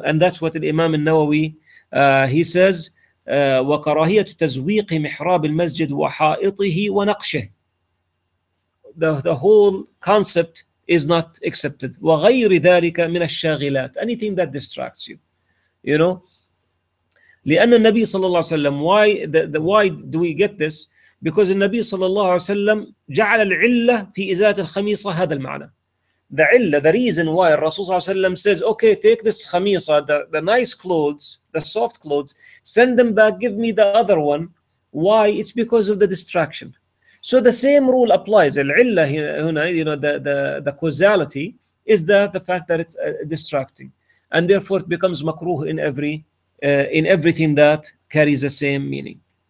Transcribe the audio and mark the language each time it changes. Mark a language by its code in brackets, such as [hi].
[en] And that's what the Imam al-Nawawi, he says, [ar] وَكَرَهِيَةُ تَزْوِيقِ مِحْرَابِ الْمَسْجِدِ وَحَائِطِهِ وَنَقْشِهِ. [en] The whole concept is not accepted. [ar] وَغَيْرِ ذَلِكَ مِنَ الشَّاغِلَاتِ. [en] Anything that distracts you, you know. [ar] لِأَنَّ النَّبِيَّ صَلَّى اللَّهُ عَلَيْهِ وَسَلَّمَ. [en] Why do we get this? Because the Nabi [ar] صلى الله عليه وسلم جعل العلة في إزالة الخميصة هذا المعنى. [en] The علة, the reason why Rasul صلى الله عليه وسلم says, okay, take this خميصة, the nice clothes, the soft clothes, send them back, give me the other one. Why? It's because of the distraction. So the same rule applies. Al-illah, you know, the causality is the fact that it's distracting, and therefore it becomes makruh in every in everything that carries the same meaning.